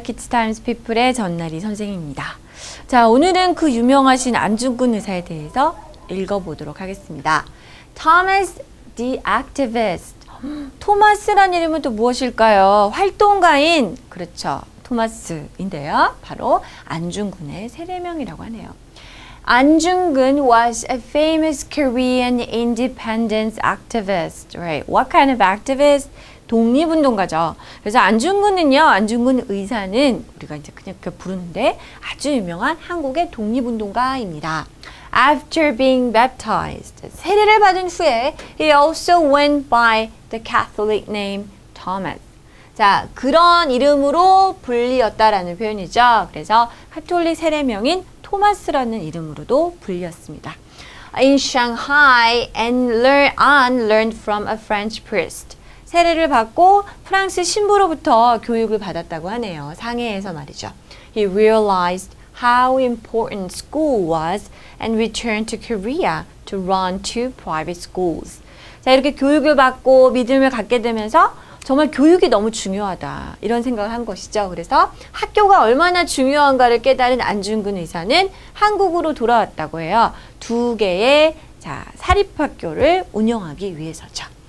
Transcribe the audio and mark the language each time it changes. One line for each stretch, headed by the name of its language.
Korean: Kids Times People의 전나리 선생님입니다. 자, 오늘은 그 유명하신 안중근 의사에 대해서 읽어보도록 하겠습니다.
English: Thomas the Activist.
Korean: 토마스란 이름은 또 무엇일까요? 활동가인, 그렇죠. 토마스인데요. 바로 안중근의 세례명이라고 하네요.
English: Anjung-gun was a famous Korean independence activist, right? What kind of activist?
Korean: 독립운동가죠. 그래서 안중근은요, 안중근 의사는 우리가 이제 그냥 이렇게 부르는데 아주 유명한 한국의 독립운동가입니다.
English: After being baptized,
Korean: 세례를 받은 후에
English: he also went by the Catholic name Thomas.
Korean: 자, 그런 이름으로 불리었다라는 표현이죠. 그래서 카톨릭 세례명인 토마스라는 이름으로도 불렸습니다.
English: In Shanghai, An learned from a French priest.
Korean: 세례를 받고 프랑스 신부로부터 교육을 받았다고 하네요. 상해에서 말이죠.
English: He realized how important school was and returned to Korea to run two private schools.
Korean: 자, 이렇게 교육을 받고 믿음을 갖게 되면서 정말 교육이 너무 중요하다 이런 생각을 한 것이죠. 그래서 학교가 얼마나 중요한가를 깨달은 안중근 의사는 한국으로 돌아왔다고 해요. 두 개의 사립학교를 운영하기 위해서죠.